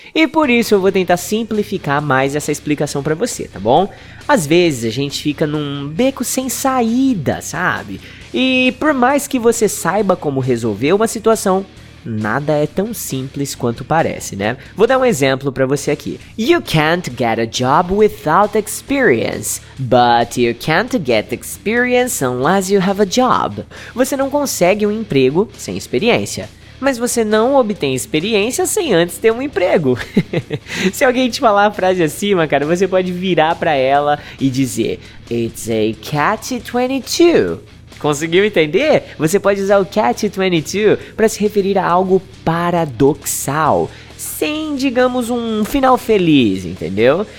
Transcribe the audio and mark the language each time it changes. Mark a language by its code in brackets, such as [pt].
[pt] E por isso eu vou tentar simplificar mais essa explicação pra você, tá bom? Às vezes a gente fica num beco sem saída, sabe? E por mais que você saiba como resolver uma situação, nada é tão simples quanto parece, né? Vou dar um exemplo pra você aqui. [en] You can't get a job without experience, but you can't get experience unless you have a job. [pt] Você não consegue um emprego sem experiência, mas você não obtém experiência sem antes ter um emprego. Se alguém te falar a frase acima, cara, você pode virar pra ela e dizer: [en] It's a catch-22. [pt] Conseguiu entender? Você pode usar o catch-22 para se referir a algo paradoxal, sem, digamos, um final feliz, entendeu?